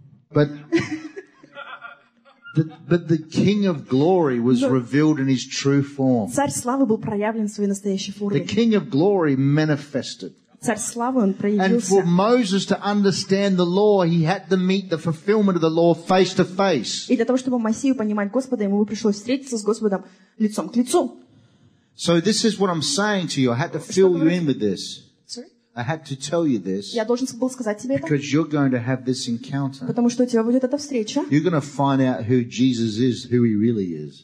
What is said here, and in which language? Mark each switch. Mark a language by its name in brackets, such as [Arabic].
[English] But the King of Glory was revealed in His true form. [Russian] Царь славы был проявлен в своей настоящей форме. [English] The King of Glory manifested. [Russian] Царь славы, он проявился. [English] And for Moses to understand the law, he had to meet the fulfillment of the law face to face. [Russian] И для того, чтобы Моисею понимать Господа, ему пришлось встретиться с Господом лицом к лицу. [English] So this is what I'm saying to you. I had to fill you in with this. Sorry? I had to tell you this. [Russian] Я должен был сказать тебе это. [English] Because you're going to have this encounter. [Russian] Потому что у тебя будет эта встреча. [English] You're going to find out who Jesus is, who He really is.